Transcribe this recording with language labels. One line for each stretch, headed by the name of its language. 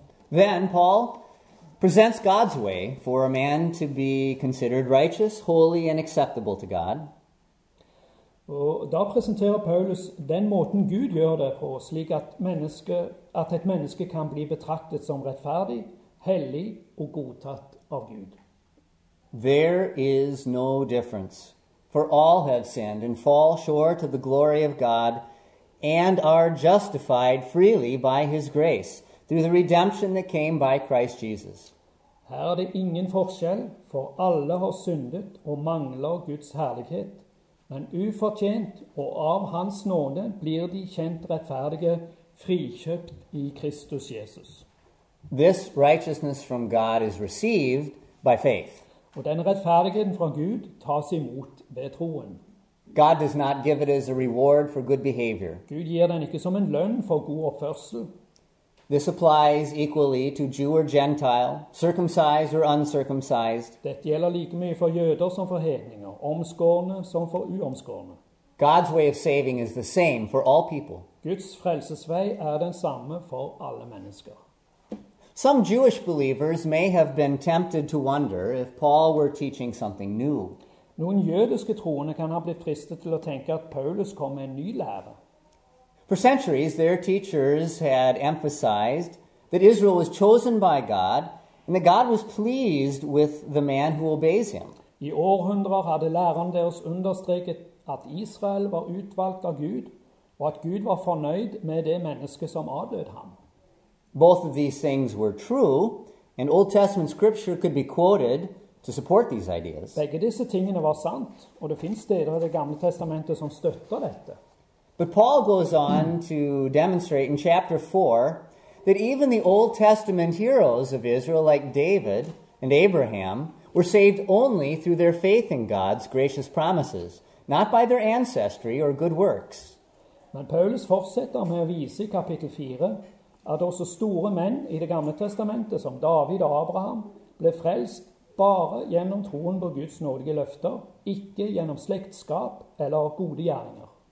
English: Then Paul presents God's way for a man to be considered righteous, holy, and acceptable to God.
Norwegian: Og da presenterer Paulus den måten Gud gjør det på, slik at et menneske kan bli betraktet som rettferdig, hellig og godtatt av Gud.
English: There is no difference, for all have sinned and fall short of the glory of God and are justified freely by his grace through the redemption that came by Christ Jesus.
Norwegian: Her er det ingen forskjell, for alle har syndet og mangler Guds herlighet. Men ufortjent og av hans nåde blir de kjent rettferdige, frikjøpt i Kristus Jesus.
English: This righteousness from God is received by faith.
Norwegian: Og denne rettferdigheten fra Gud tas imot ved troen.
English: God does not give it as a reward for good behavior.
Norwegian: Gud gir den ikke som en lønn for god oppførsel.
English: This applies equally to Jew or Gentile, circumcised or uncircumcised.
Norwegian: Dette gjelder like mye for jøder som for hedninger, omskårne som for uomskårne.
English: God's way of saving is the same for all people.
Norwegian: Guds frelsesvei er den samme for alle mennesker.
English: Some Jewish believers may have been tempted to wonder if Paul were teaching something new.
Norwegian: Noen jødiske troende kan ha blitt fristet til å tenke at Paulus kom med en ny lære.
English: For centuries, their teachers had emphasized that Israel was chosen by God and that God was pleased with the man who obeys him.
Norwegian: I århundrer hadde læreren deres understreket at Israel var utvalgt av Gud og at Gud var fornøyd med det menneske som adlød ham.
English: Both of these things were true, and Old Testament scripture could be quoted to support these ideas.
Norwegian: Begge disse tingene var sant, og det finnes steder i det gamle testamentet som støtter dette.
English: But Paul goes on to demonstrate in chapter 4 that even the Old Testament heroes of Israel, like David and Abraham, were saved only through their faith in God's gracious promises, not by their ancestry or good works.
Norwegian: Men Paulus fortsetter med å vise i kapittel 4 at også store menn i det gamle testamentet, som David og Abraham, ble frelst bare gjennom troen på Guds nådige løfter, ikke gjennom slektskap eller gode gjerninger.